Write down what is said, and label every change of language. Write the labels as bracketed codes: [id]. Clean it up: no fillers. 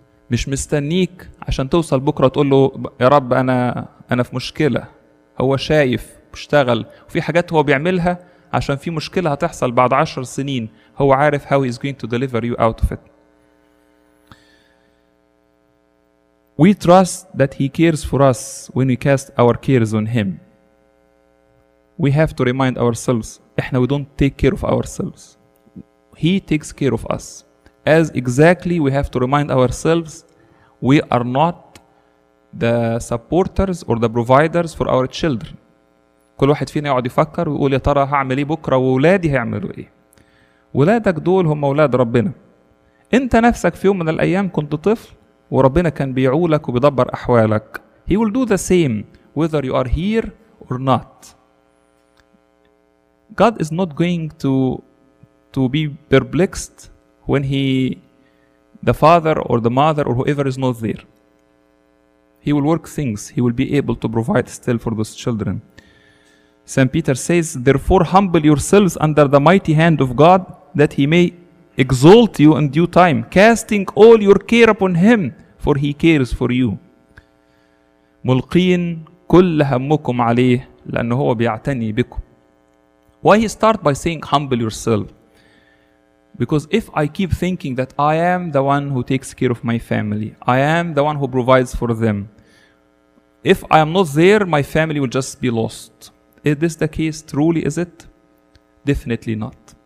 [ar] مش مستنيك عشان توصل بكرة تقول له يا رب أنا في مشكلة. هو شايف بيشتغل وفي حاجات هو بيعملها عشان في مشكلة هتحصل بعد 10 سنين. هو عارف [en] how he's going to deliver you out of it. We trust that He cares for us when we cast our cares on Him. We have to remind ourselves, [ar] احنا [en] we don't take care of ourselves. He takes care of us. As exactly we have to remind ourselves, we are not the supporters or the providers for our children. [ar] كل واحد فينا يقعد يفكر ويقول يا ترى هعمل ايه بكرة وولادي هيعملوا ايه. ولادك دول هم ولاد ربنا. انت نفسك في يوم من الايام كنت طفل وربنا كان بيعولك وبيدبر احوالك. [en] He will do the same whether you are here or not. God is not going to be perplexed when the father or the mother or whoever is not there. He will work things. He will be able to provide still for those children. St. Peter says, therefore humble yourselves under the mighty hand of God that He may exalt you in due time, casting all your care upon Him, for He cares for you. [ar] ملقين كل همكم عليه لأنه هو بيعتني بكم. [en] Why he start by saying humble yourself? Because if I keep thinking that I am the one who takes care of my family, I am the one who provides for them, if I am not there, my family will just be lost. Is this the case? Truly, is it? Definitely not.